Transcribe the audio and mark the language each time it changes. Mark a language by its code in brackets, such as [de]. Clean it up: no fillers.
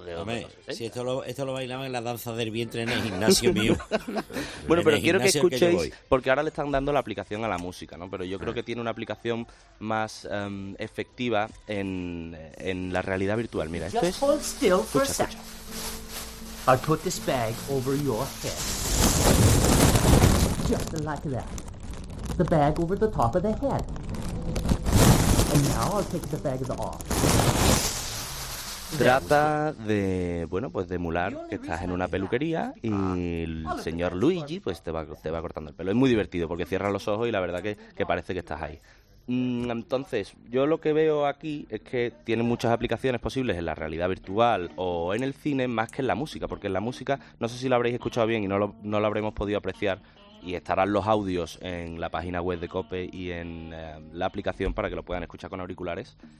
[es] Hombre, si esto lo bailaban en la danza del vientre en el gimnasio mío. Bueno, pero quiero que escuchéis, porque ahora le están dando la aplicación a la música, ¿no? Pero yo creo que tiene una aplicación más efectiva en la realidad virtual. Mira, esto es... Escucha. [en] I put this bag over your head. Just like that. The bag over the top of the head. And now I'll take the bag off. [es] Trata de, bueno, pues de emular que estás en una peluquería y el señor Luigi pues te va cortando el pelo. Es muy divertido porque cierras los ojos y la verdad que parece que estás ahí. Entonces, yo lo que veo aquí es que tiene muchas aplicaciones posibles en la realidad virtual o en el cine más que en la música, porque en la música, no sé si lo habréis escuchado bien y no lo habremos podido apreciar, y estarán los audios en la página web de COPE y en la aplicación para que lo puedan escuchar con auriculares.